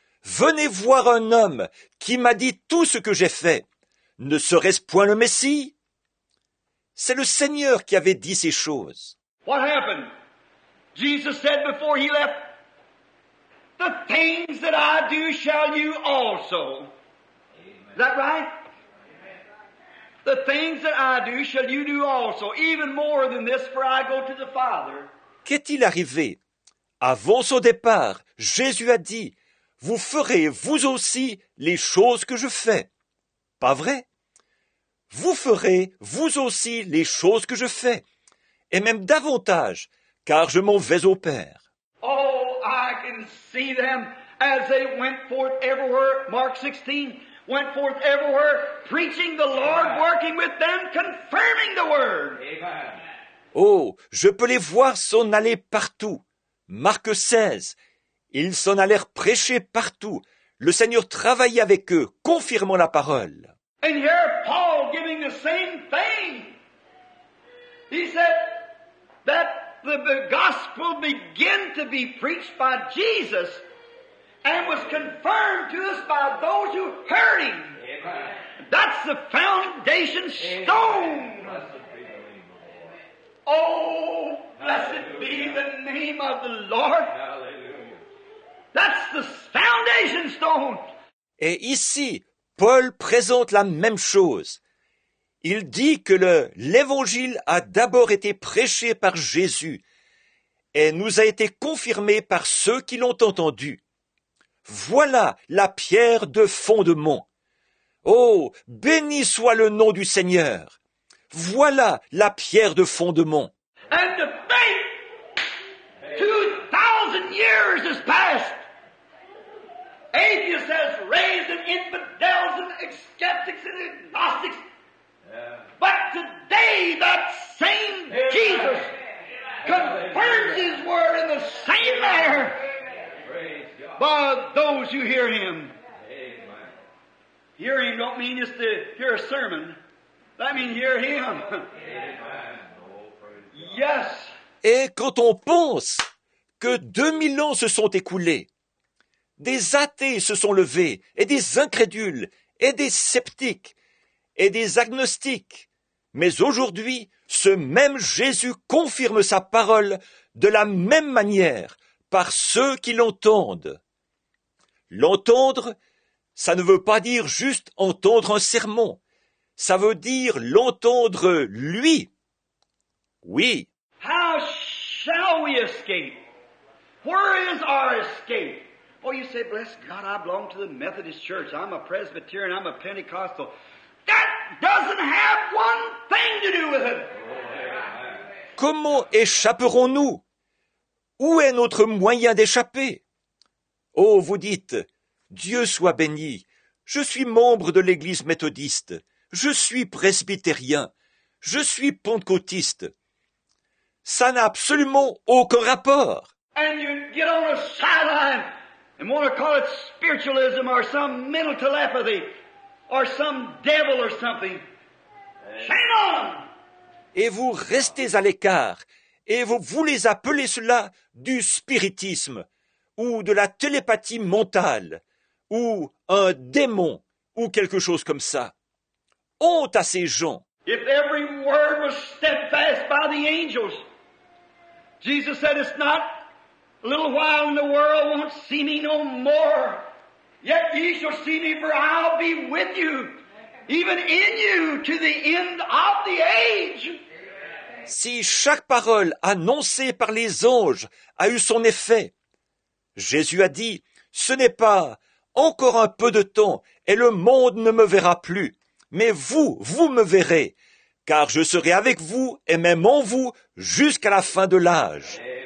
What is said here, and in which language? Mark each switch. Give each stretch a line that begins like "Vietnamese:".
French: Venez voir un homme qui m'a dit tout ce que j'ai fait. Ne serait-ce point le Messie ? C'est le Seigneur qui avait dit ces choses.
English: What happened? Jesus said before he left, the things that I do shall you also. Is that right? The things that I do shall you do also, even more than this, for I go to the Father.
French: Qu'est-il arrivé? Avant son départ, Jésus a dit, « Vous ferez vous aussi les choses que je fais. » Pas vrai? Vous ferez vous aussi les choses que je fais, et même davantage, car je m'en vais au Père.
English: Oh, I can see them as they went forth everywhere, Mark 16, went forth everywhere, preaching the Lord, working with them, confirming the word. Amen.
French: Oh, je peux les voir s'en aller partout. Marc 16, ils s'en allèrent prêcher partout. Le Seigneur travaillait avec eux, confirmant la parole.
English: And here Paul giving the same thing. He said that the gospel began to be preached by Jesus and was confirmed to us by those who heard him. Amen. That's the foundation stone. Amen. Oh, blessed be the name of the Lord. Hallelujah. That's the foundation stone.
French: Et ici, Paul présente la même chose. Il dit que l'Évangile a d'abord été prêché par Jésus et nous a été confirmé par ceux qui l'ont entendu. Voilà la pierre de fondement. Oh, béni soit le nom du Seigneur. Voilà la pierre de fondement.
English: And the faith, 2,000 years has passed. Atheists has raised in infidels and skeptics and agnostics. But today that same Jesus confirms his word in the same manner by those who hear him. Hearing don't mean just to hear a sermon. That means hear him. Yes.
French: Et quand on pense que 2000 ans se sont écoulés, des athées se sont levés, et des incrédules, et des sceptiques, et des agnostiques. Mais aujourd'hui, ce même Jésus confirme sa parole de la même manière par ceux qui l'entendent. L'entendre, ça ne veut pas dire juste entendre un sermon. Ça veut dire l'entendre lui. Oui.
English: How shall we escape? Where is our escape? Oh, you say, bless God, I belong to the Methodist Church. I'm a Presbyterian, I'm a Pentecostal. That doesn't have one thing to do with it.
French: Comment échapperons-nous? Où est notre moyen d'échapper? Oh, vous dites, Dieu soit béni. Je suis membre de l'Église méthodiste. Je suis presbytérien. Je suis pentecôtiste. Ça n'a absolument aucun rapport.
English: And you get on a sideline. And want to call it spiritualism or some mental telepathy or some devil or something. Shame on!
French: Et vous restez à l'écart et vous voulez appeler cela du spiritisme ou de la télépathie mentale ou un démon ou quelque chose comme ça. Honte à ces gens!
English: If every word was steadfast by the angels, Jesus said it's not. A little while in the world won't see me no more. Yet ye shall see me, for I'll be with you, even in you, to the end of the age.
French: Si chaque parole annoncée par les anges a eu son effet, Jésus a dit, ce n'est pas encore un peu de temps et le monde ne me verra plus, mais vous, vous me verrez, car je serai avec vous et même en vous jusqu'à la fin de l'âge.